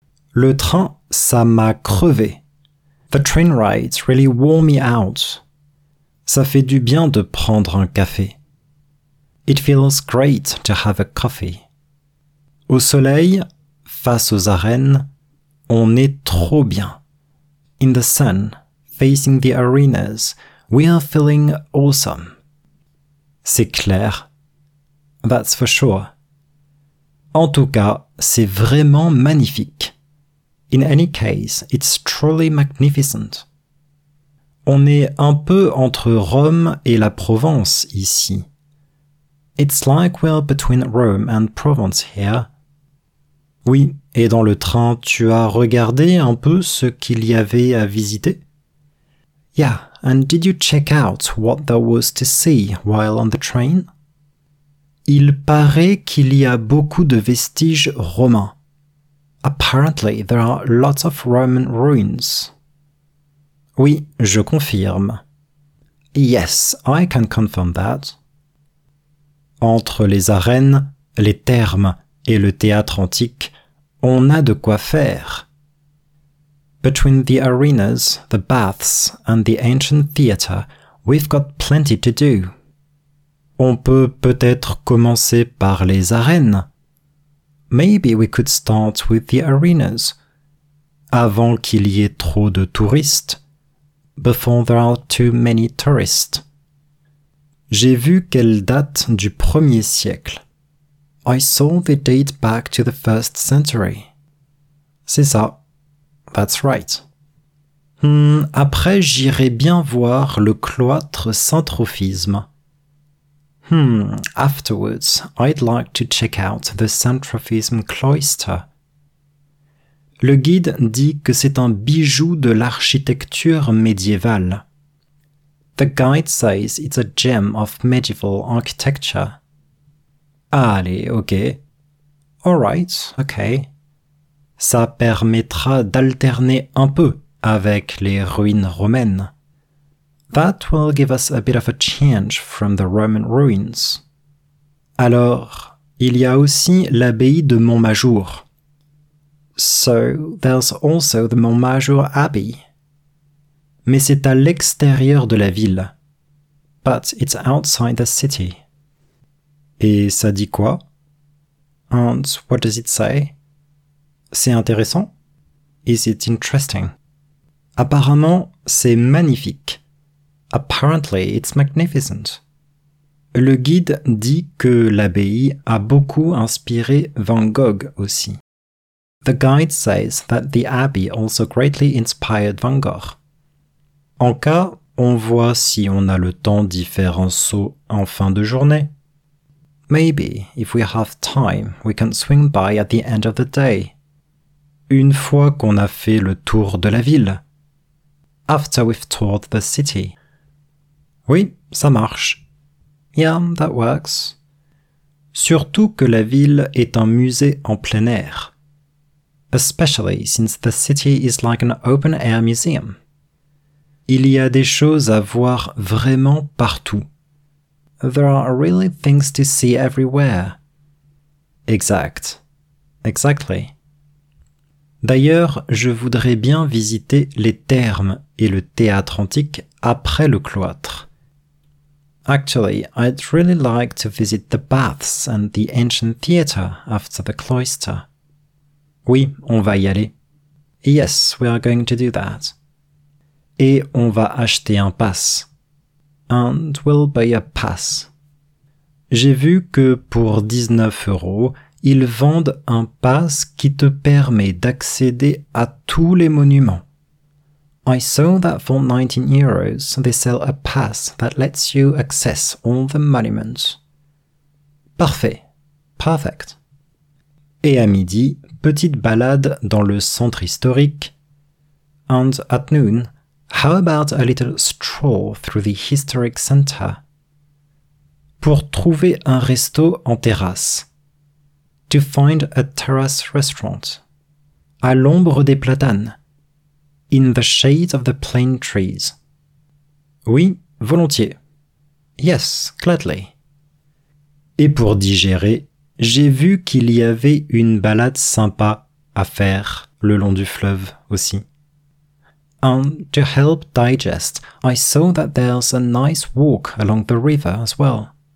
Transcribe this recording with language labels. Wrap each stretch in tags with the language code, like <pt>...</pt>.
<fr>Le train, ça m'a crevé.</fr> <en>The train ride really wore me out.</en> <fr>Ça fait du bien de prendre un café.</fr> <en>It feels great to have a coffee.</en> <fr>Au soleil, face aux arènes, on est trop bien.</fr> <en>In the sun, facing the arenas, we are feeling awesome.</en> <fr>C'est clair.</fr> <en>That's for sure.</en> <fr>En tout cas, c'est vraiment magnifique.</fr> <en>In any case, it's truly magnificent.</en> <fr>On est un peu entre Rome et la Provence ici.</fr> <en>It's like we're between Rome and Provence here.</en> <fr>Oui, et dans le train, tu as regardé un peu ce qu'il y avait à visiter?</fr> <en>Yeah, and did you check out what there was to see while on the train?</en> <fr>Il paraît qu'il y a beaucoup de vestiges romains.</fr> <en>Apparently, there are lots of Roman ruins.</en> <fr>Oui, je confirme.</fr> <en>Yes, I can confirm that.</en> <fr>Entre les arènes, les thermes et le théâtre antique, on a de quoi faire.</fr> <en>Between the arenas, the baths and the ancient theater, we've got plenty to do.</en> <fr>On peut peut-être commencer par les arènes.</fr> <en>Maybe we could start with the arenas.</en> <fr>Avant qu'il y ait trop de touristes.</fr> <en>Before there are too many tourists.</en> <fr>J'ai vu qu'elles datent du 1er siècle.</fr> <en>I saw they date back to the first century.</en> <fr>C'est ça.</fr> <en>That's right.</en> <fr>Après, j'irai bien voir le cloître Saint-Trophisme.</fr> <en>Afterwards, I'd like to check out the Saint-Trophisme cloister.</en> <fr>Le guide dit que c'est un bijou de l'architecture médiévale.</fr> <en>The guide says it's a gem of medieval architecture.</en> <fr>Allez, ok.</fr> <en>Alright, ok.</en> <fr>Ça permettra d'alterner un peu avec les ruines romaines.</fr> <en>That will give us a bit of a change from the Roman ruins.</en> <fr>Alors, il y a aussi l'abbaye de Montmajour.</fr> <en>So, there's also the Montmajour Abbey.</en> <fr>Mais c'est à l'extérieur de la ville.</fr> <en>But it's outside the city.</en> <fr>Et ça dit quoi?</fr> <en>And what does it say?</en> <fr>C'est intéressant?</fr> <en>Is it interesting?</en> <fr>Apparemment, c'est magnifique.</fr> <en>Apparently, it's magnificent.</en> <fr>Le guide dit que l'abbaye a beaucoup inspiré Van Gogh aussi.</fr> <en>The guide says that the abbey also greatly inspired Van Gogh.</en> <fr>En cas, on voit si on a le temps d'y faire un saut en fin de journée.</fr> <en>Maybe, if we have time, we can swing by at the end of the day.</en> <fr>Une fois qu'on a fait le tour de la ville.</fr> <en>After we've toured the city.</en> <fr>Oui, ça marche.</fr> <en>Yeah, that works.</en> <fr>Surtout que la ville est un musée en plein air.</fr> <en>Especially since the city is like an open-air museum.</en> <fr>Il y a des choses à voir vraiment partout.</fr> <en>There are really things to see everywhere.</en> <fr>Exact.</fr> <en>Exactly.</en> <fr>D'ailleurs, je voudrais bien visiter les thermes et le théâtre antique après le cloître.</fr> <en>Actually, I'd really like to visit the baths and the ancient theater after the cloister.</en> <fr>Oui, on va y aller.</fr> <en>Yes, we are going to do that.</en> <fr>Et on va acheter un pass.</fr> <en>And we'll buy a pass.</en> <fr>J'ai vu que pour 19€, ils vendent un pass qui te permet d'accéder à tous les monuments.</fr> <en>I saw that for 19 euros, they sell a pass that lets you access all the monuments.</en> <fr>Parfait.</fr> <en>Perfect.</en> <fr>Et à midi, petite balade dans le centre historique.</fr> <en>And at noon, how about a little stroll through the historic center?</en> <fr>Pour trouver un resto en terrasse.</fr> <en>To find a terrace restaurant.</en> <fr>À l'ombre des platanes.</fr> <en>In the shade of the plane trees.</en> <fr>Oui, volontiers.</fr> <en>Yes, gladly.</en> <fr>Et pour digérer, j'ai vu qu'il y avait une balade sympa à faire le long du fleuve aussi.</fr> <en>And to help digest, I saw that there's a nice walk along the river as well.</en>